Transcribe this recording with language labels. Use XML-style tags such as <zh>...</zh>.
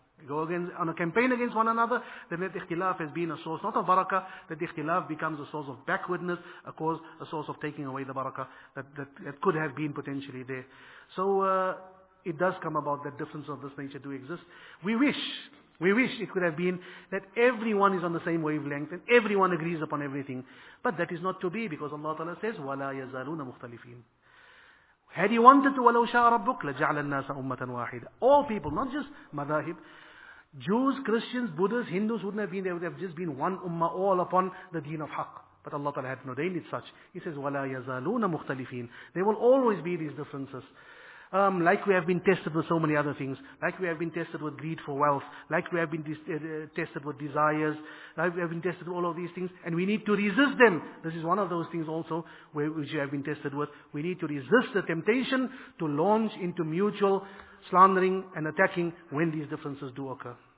<en>We go on a campaign against one another, then that ikhtilaf has been a source, not of barakah, that ikhtilaf becomes a source of backwardness, a source of taking away the barakah that could have been potentially there. So it does come about that differences of this nature do exist. We wish it could have been that everyone is on the same wavelength and everyone agrees upon everything. But that is not to be, because Allah Ta'ala says,</en> <ar>وَلَا يَزَالُونَ مُخْتَلِفِينَ.</ar> <en>Had he wanted to,</en> <ar>وَلَوْ شَاءَ رَبُّكَ لَجَعْلَ النَّاسَ أُمَّةً وَاحِدًا.</ar> <en>All people, not just madhahib, Jews, Christians, Buddhas, Hindus wouldn't have been there, would have just been one ummah all upon the deen of haqq. But Allah Ta'ala had ordained it such. He says,</en> <ar>وَلَا يَزَالُونَ مُخْتَلِفِينَ.</ar> <en>There will always be these differences. Like we have been tested with so many other things, like we have been tested with greed for wealth, like we have been tested with desires, like we have been tested with all of these things, and we need to resist them. This is one of those things also which we have been tested with. We need to resist the temptation to launch into mutual slandering and attacking when these differences do occur.</en>